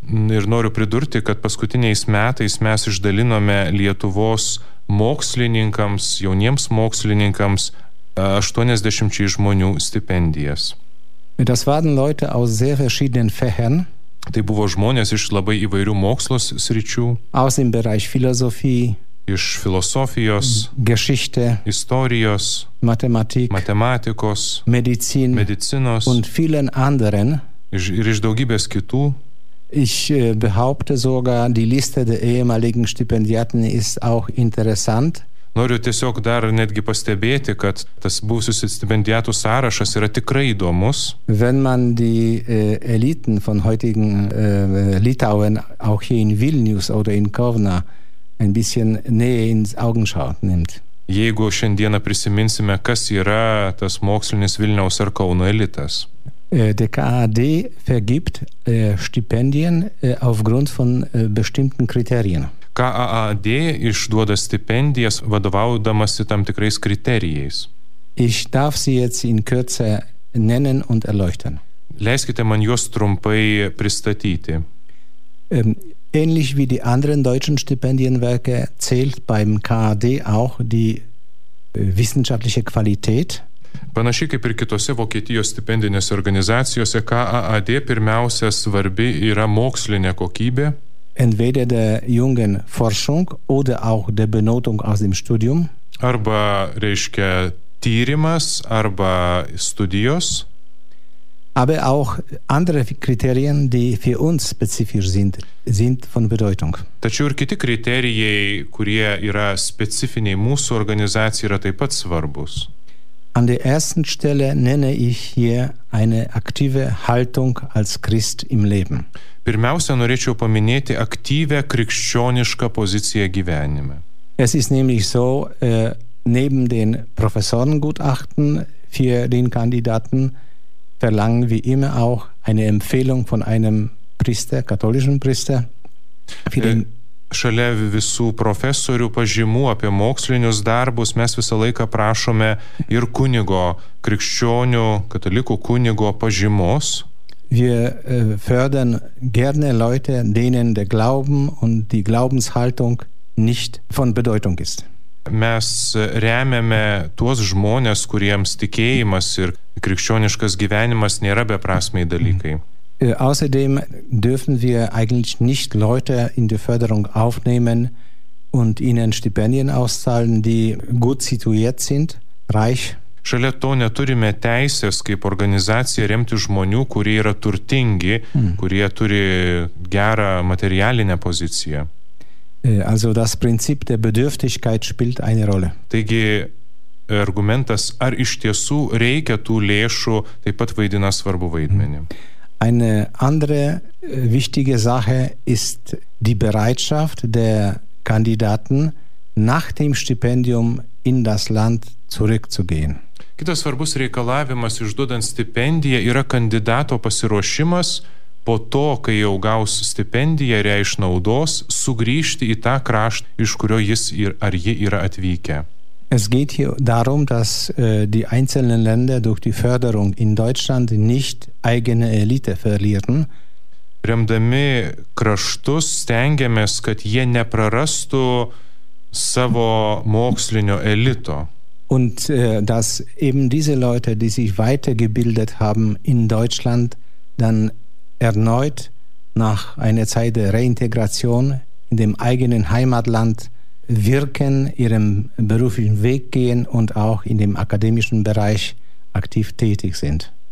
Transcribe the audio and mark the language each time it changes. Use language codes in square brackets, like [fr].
[lt] Ir noriu pridurti, kad paskutiniais metais mes išdalinome Lietuvos mokslininkams, jauniems mokslininkams 80 žmonių stipendijas. [de] Das waren Leute aus sehr verschiedenen Fächern. [lt] Tai buvo žmonės iš labai įvairių mokslos sričių. [de] Aus dem Bereich Philosophie. [lt] Iš filosofijos. [de] Geschichte. [lt] Istorijos. [de] Mathematik. [lt] Matematikos. [de] Medizin. [lt] Medicinos. [de] Und vielen anderen. [lt] Ir iš daugybės kitų. [de] Ich behaupte sogar, die Liste der ehemaligen Stipendiaten ist auch interessant. [lt] Noriu tiesiog dar netgi pastebėti, kad tas buvusius stipendiatų sąrašas yra tikrai įdomus. [de] Wenn man die Eliten von heutigen Litauen auch hier in Vilnius oder in Kovna ein bisschen näher ins Augenschau nimmt. [lt] Jeigu šiandieną prisiminsime, kas yra tas mokslinis Vilniaus ar Kauno elitas. [de] Der KAD vergibt Stipendien aufgrund von bestimmten Kriterien. [lt] KAAD išduoda stipendijas, vadovaudamasi tam tikrais kriterijais. [de] Ich darf sie jetzt in Kürze nennen und erläutern. [lt] Leiskite man juos trumpai pristatyti. [de] Ähnlich wie die anderen deutschen Stipendienwerke zählt beim KAD auch die wissenschaftliche Qualität. [lt] Panašiai kaip ir kitose Vokietijos stipendinėse organizacijose, KAAD pirmiausia svarbi yra mokslinė kokybė. [de] Entweder der jungen Forschung oder auch der Benotung aus dem Studium. [lt] Arba reiškia tyrimas, arba studijos. [de] Aber auch andere Kriterien, die für uns spezifisch sind von Bedeutung. [lt] Tačiau ir kiti kriterijai, kurie yra specifiniai mūsų organizacijai, yra taip pat svarbus. [de] An der ersten Stelle nenne ich hier eine aktive Haltung als Christ im Leben. [lt] Pirmiausia, norėčiau paminėti aktyvę krikščionišką poziciją gyvenime. [de] Es ist nämlich so, neben den Professorengutachten für den Kandidaten verlangen wir immer auch eine Empfehlung von einem Priester, katholischen Priester. [lt] Šalia visų profesorių pažymų apie mokslinius darbus mes visą laiką prašome ir kunigo, krikščionių, katalikų kunigo pažymos. [de] Wir fördern gerne Leute, denen der Glauben und die Glaubenshaltung nicht von Bedeutung ist. [lt] mes remiame tuos žmonės, kuriems tikėjimas ir krikščioniškas gyvenimas nėra beprasmiai dalykai. [de] Außerdem dürfen wir eigentlich nicht Leute in die Förderung aufnehmen und ihnen Stipendien auszahlen, die gut situiert sind, reich. [lt] Šalia to neturime teisės kaip organizacija remti žmonių, kurie yra turtingi, kurie turi gerą materialinę poziciją. [de] Also das Prinzip der Bedürftigkeit spielt eine Rolle. [lt] Taigi argumentas, ar iš tiesų reikia tų lėšų, taip pat vaidina svarbų vaidmenį. [de] Eine andere wichtige Sache ist die Bereitschaft der Kandidaten nach dem Stipendium in das Land zurückzugehen. [lt] Kitas svarbus reikalavimas išduodant stipendiją yra kandidato pasiruošimas po to, kai jau gaus stipendiją ir ją išnaudos, sugrįžti į tą kraštą, iš kurio jis ir ar ji yra atvykę. [de] Es geht hier darum, dass die einzelnen Länder durch die Förderung in Deutschland nicht eigene Elite verlieren. [lt] Remdami kraštus stengiamės, kad jie neprarastų savo mokslinio elito. [de] Und dass eben diese Leute, die sich weitergebildet haben in Deutschland, dann erneut nach einer Zeit der Reintegration in dem eigenen Heimatland wirken, ihrem beruflichen Weg gehen und auch in dem akademischen Bereich aktiv tätig sind.